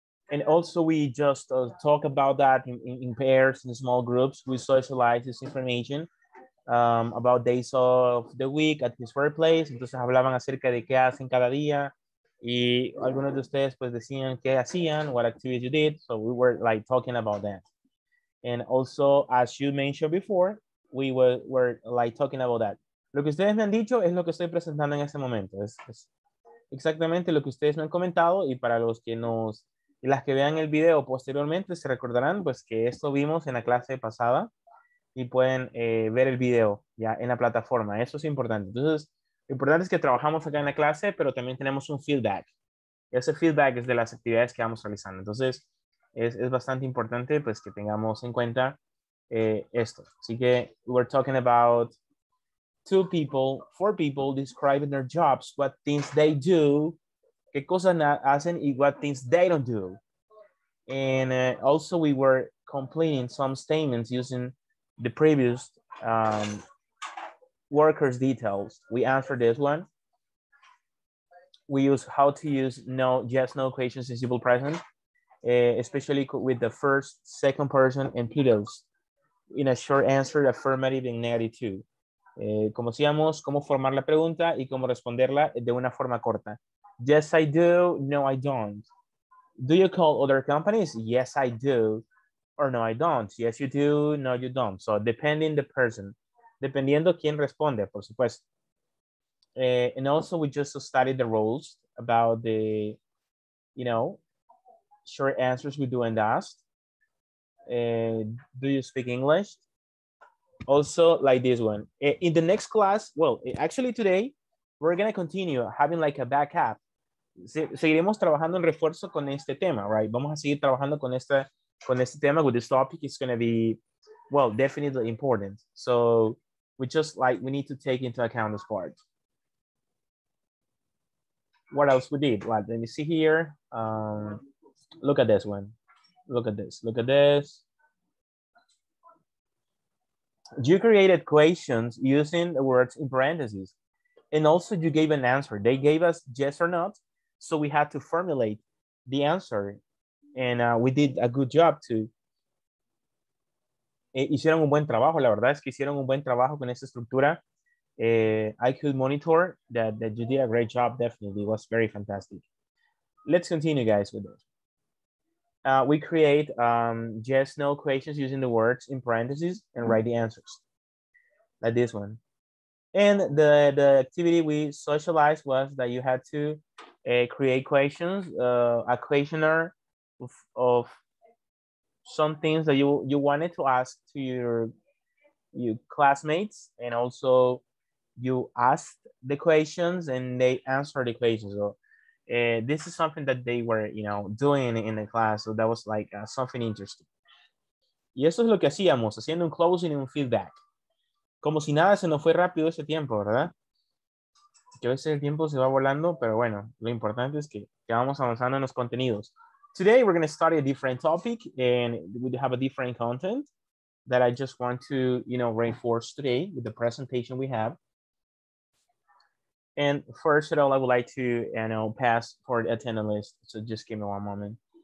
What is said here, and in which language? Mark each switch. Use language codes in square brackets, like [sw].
[en] And also we just talk about that in pairs, in small groups. We socialize this information about days of the week at his workplace. [es] Entonces hablaban acerca de qué hacen cada día. Y algunos de ustedes pues decían qué hacían, [en] what activities you did. So we were like talking about that. And also, as you mentioned before, we were like talking about that. [es] Lo que ustedes me han dicho es lo que estoy presentando en este momento. Es exactamente lo que ustedes me han comentado. Y para los que nos, y las que vean el video posteriormente, se recordarán pues que esto vimos en la clase pasada. Y pueden ver el video ya en la plataforma. Eso es importante. Entonces, lo importante es que trabajamos acá en la clase, pero también tenemos un feedback. Ese feedback es de las actividades que vamos realizando. Entonces, es bastante importante pues, que tengamos en cuenta esto. [en] Así que, we're talking about two people, four people describing their jobs, what things they do, [es] qué cosas hacen y [en] what things they don't do. And also, we were completing some statements using the previous workers' details. We answer this one. We use how to use no, yes, no questions in simple present, especially with the first, second person, and plurals. In a short answer, affirmative and negative too. [es] Como decíamos, cómo formar la pregunta y cómo responderla de una forma corta. [en] Yes, I do. No, I don't. Do you call other companies? Yes, I do. Or no, I don't. Yes, you do. No, you don't. So depending the person. [es] Dependiendo quién responde, por supuesto. [en] And also, we just studied the rules about the, you know, short answers we do and ask. Do you speak English? Also, like this one. In the next class, well, actually today, we're going to continue having like a backup. [es] Seguiremos trabajando en refuerzo con este tema, right? Vamos a seguir trabajando con este tema, [en] with this topic. It's going to be, well, definitely important. So, we just like, we need to take into account this part. What else we did? Well, let me see here. Look at this one. Look at this. You created questions using the words in parentheses. And also you gave an answer. They gave us yes or not. So we had to formulate the answer. And we did a good job too. [es] Hicieron un buen trabajo, la verdad es que hicieron un buen trabajo con esta estructura. [en] I could monitor that you did a great job, definitely. It was very fantastic. let's continue, guys, with those. We create yes, no questions using the words in parentheses and write the answers, like this one. And the activity we socialized was that you had to create questions, a questionnaire of some things that you wanted to ask to your classmates, and also you asked the questions and they answered the questions. So this is something that they were, you know, doing in the class. So that was like something interesting. [es] Y eso es lo que hacíamos, haciendo un closing and un feedback. Como si nada, se nos fue rápido ese tiempo, ¿verdad? Que a veces el tiempo se va volando, pero bueno, lo importante es que vamos avanzando en los contenidos. [en] Today we're going to study a different topic and we have a different content that I just want to, you know, reinforce today with the presentation we have. And first of all, I would like to, you know, pass for the attendance list. So just give me one moment.